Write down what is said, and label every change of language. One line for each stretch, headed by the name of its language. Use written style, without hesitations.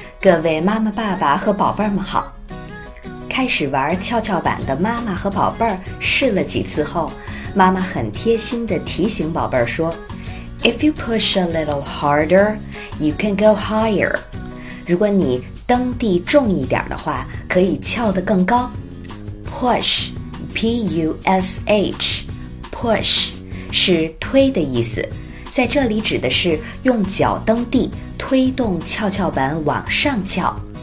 Chinese: 各位妈妈爸爸和宝贝儿们好。开始玩跷跷板的妈妈和宝贝儿试了几次后，妈妈很贴心地提醒宝贝儿说
English: If you push a little harder, you can go higher.
Chinese: 如果你蹬地重一点的话，可以翘得更高。 Push, P-U-S-H, push, 是推的意思。在这里指的是用脚蹬地推动跷跷板往上翘。